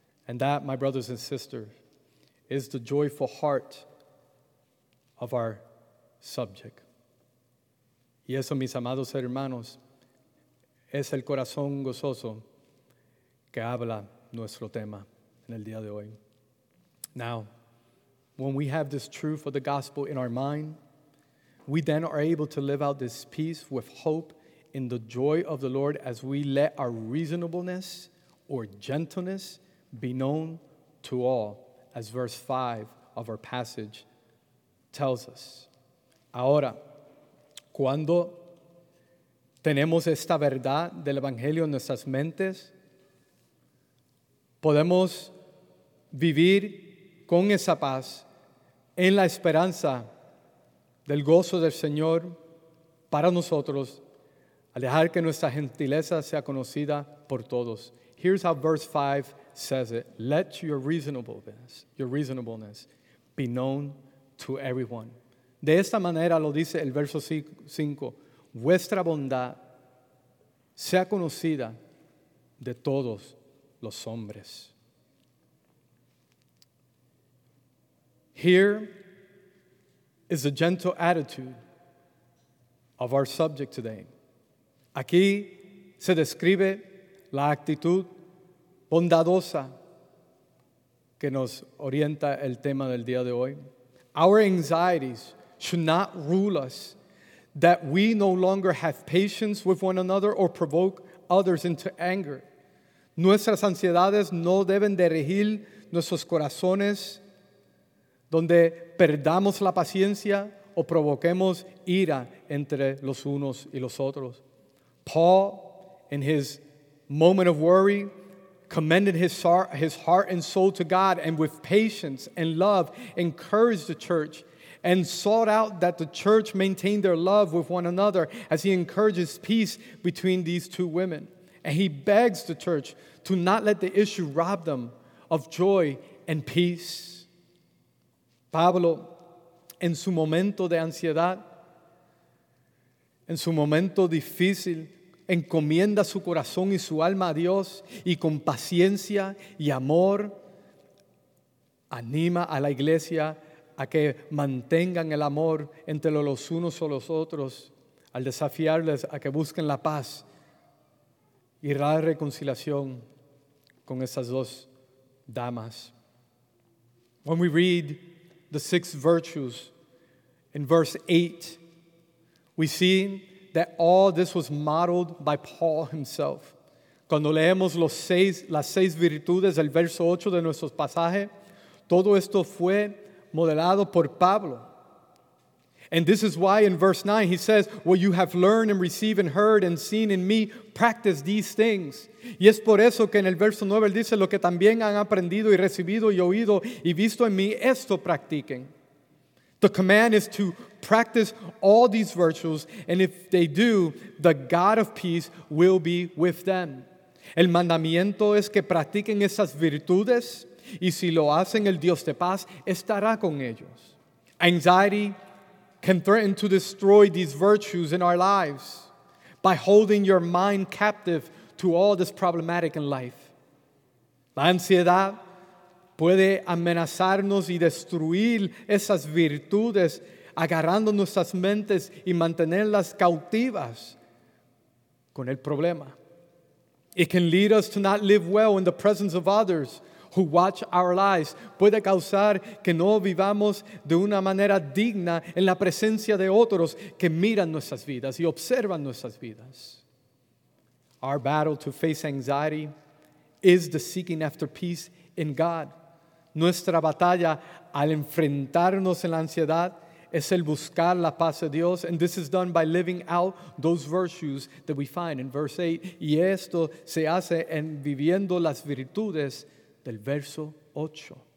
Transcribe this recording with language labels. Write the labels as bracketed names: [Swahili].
[English] And that, my brothers and sisters, is the joyful heart of our subject. [Spanish] Y eso, mis amados hermanos, es el corazón gozoso que habla nuestro tema en el día de hoy. [English] Now, when we have this truth of the gospel in our mind, we then are able to live out this peace with hope in the joy of the Lord as we let our reasonableness or gentleness be known to all, as verse 5 of our passage tells us. [Spanish] Ahora, cuando tenemos esta verdad del Evangelio en nuestras mentes, podemos vivir con esa paz en la esperanza del gozo del Señor para nosotros, al dejar que nuestra gentileza sea conocida por todos. [English] Here's how verse 5 says it. Let your reasonableness be known to everyone. [Spanish] De esta manera lo dice el verso 5. Vuestra bondad sea conocida de todos los hombres. [English] Here is the gentle attitude of our subject today. [Spanish] Aquí se describe la actitud bondadosa que nos orienta el tema del día de hoy. [English] Our anxieties should not rule us, that we no longer have patience with one another or provoke others into anger. [Spanish] Nuestras ansiedades no deben de regir nuestros corazones, donde perdamos la paciencia o provoquemos ira entre los unos y los otros. [English] Paul, in his moment of worry, commended his heart and soul to God, and with patience and love encouraged the church and sought out that the church maintain their love with one another, as he encourages peace between these two women. And he begs the church to not let the issue rob them of joy and peace. [Spanish] Pablo, en su momento de ansiedad, en su momento difícil, encomienda su corazón y su alma a Dios, y con paciencia y amor anima a la iglesia a que mantengan el amor entre los unos o los otros, al desafiarles a que busquen la paz y la reconciliación con esas dos damas. [English] When we read the six virtues in verse 8, we see that all this was modeled by Paul himself. [Spanish] Cuando leemos las seis virtudes del verso 8 de nuestro pasaje, todo esto fue modelado por Pablo. [English] And this is why in verse 9 he says, what you have learned and received and heard and seen in me, practice these things. [Spanish] Y es por eso que en el verso 9 él dice, lo que también han aprendido y recibido y oído y visto en mí, esto practiquen. [English] The command is to practice all these virtues, and if they do, the God of peace will be with them. [Spanish] El mandamiento es que practiquen esas virtudes, y si lo hacen, el Dios de paz estará con ellos. [English] Anxiety can threaten to destroy these virtues in our lives by holding your mind captive to all this problematic in life. [Spanish] La ansiedad puede amenazarnos y destruir esas virtudes, agarrando nuestras mentes y mantenerlas cautivas con el problema. [English] It can lead us to not live well in the presence of others who watch our lives. [Spanish] Puede causar que no vivamos de una manera digna en la presencia de otros que miran nuestras vidas y observan nuestras vidas. [English] Our battle to face anxiety is the seeking after peace in God. [Spanish] Nuestra batalla al enfrentarnos en la ansiedad es el buscar la paz de Dios. [English] And this is done by living out those virtues that we find in verse 8. [Spanish] Y esto se hace en viviendo las virtudes del verso 8.